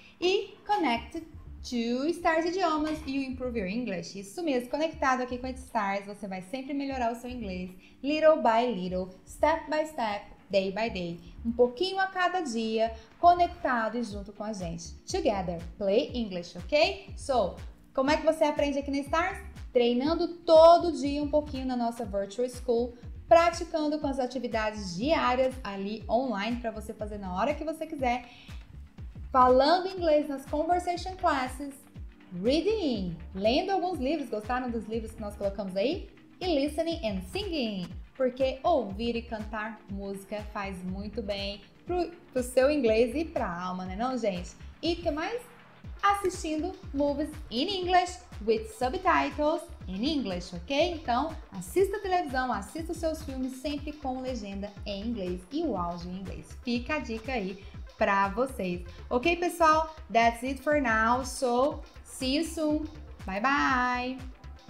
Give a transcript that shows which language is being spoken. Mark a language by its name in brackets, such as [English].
[English] E connected to Stars Idiomas, you improve your English. [Portuguese] Isso mesmo. Conectado aqui com a Stars, você vai sempre melhorar o seu inglês. [English] Little by little, step by step. Day by day, [Portuguese] um pouquinho a cada dia, conectado e junto com a gente. [English] Together, play English, ok? [Portuguese] So, como é que você aprende aqui na Stars? Treinando todo dia um pouquinho na nossa Virtual School, praticando com as atividades diárias ali online para você fazer na hora que você quiser, falando inglês nas Conversation Classes, reading, lendo alguns livros, gostaram dos livros que nós colocamos aí? E [English] listening and singing. [Portuguese] Porque ouvir e cantar música faz muito bem pro seu inglês e pra alma, né não, gente? E o que mais? Assistindo [English] movies in English with subtitles [Portuguese] in English, ok? Então, assista a televisão, assista os seus filmes sempre com legenda em inglês e o áudio em inglês. Fica a dica aí pra vocês. [English] Ok, pessoal? That's it for now. So, see you soon. Bye, bye.